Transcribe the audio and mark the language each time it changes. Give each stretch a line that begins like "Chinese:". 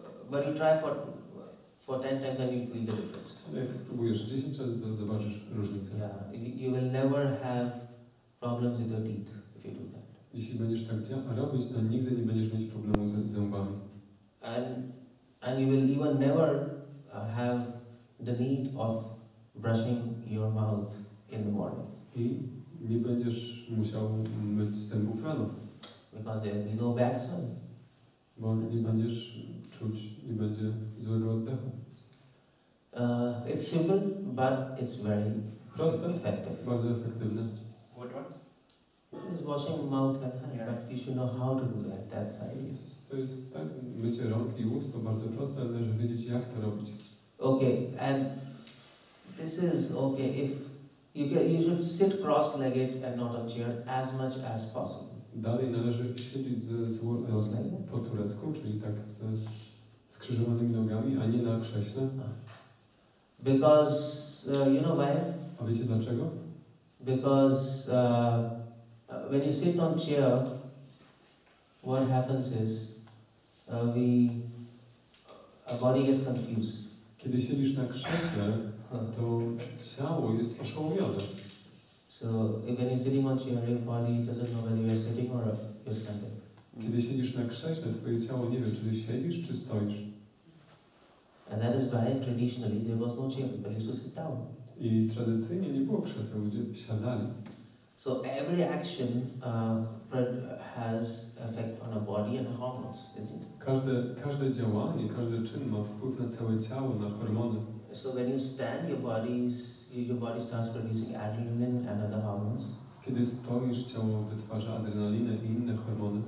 English: But you try for 10 times and you feel the difference.
Polish: Jak spróbujesz 10 razy, to zobaczysz różnicę.
English: Yeah, you will never have problems with your teeth if you do that.
Polish: Jeśli będziesz tak robić, to nigdy nie będziesz mieć problemu z zębami.
English: And you will even never have the need of brushing your mouth in the morning.
Polish: I nie będziesz musiał myć zębów rano.
English: Because there will be no bad smell.
Polish: Bo nie będziesz czuć, nie będzie złego oddechu.
English: It's simple, but it's very
Polish: proste,
English: effective.
Polish: Bardzo efektywne.
English: What one? Is washing mouth and hand, but you should know how to do that. That's the idea.
Polish: To jest tak, mycie rąk i ust to bardzo proste, ale należy wiedzieć jak to robić.
English: Okay, and this is okay if you should sit cross-legged and not on chair as much as possible.
Polish: Dalej należy siedzieć po turecku, czyli tak z skrzyżowanymi nogami, a nie na krześle.
English: Because you know why?
Polish: A wiecie dlaczego?
English: Because when you sit on chair, what happens is our body gets confused.
Polish: Kiedy siedzisz na krześle, to ciało jest oszołomione.
English: So when you're sitting on chair, your body doesn't know whether you're sitting or you're standing.
Polish: Kiedy siedzisz na krześle, twoje ciało nie wie, czy siedzisz, czy stoisz.
English: And that is why traditionally there was no chair, but you used to sit down.
Polish: I tradycyjnie nie było krzesła, ludzie siadali.
English: So every action has effect on our body and hormones, isn't it?
Polish: Każde działanie, każdy czyn ma wpływ na całe ciało, na hormony.
English: So when you stand, your body starts producing adrenaline and other hormones.
Polish: Kiedy stoisz, ciało wytwarza adrenalinę i inne hormony.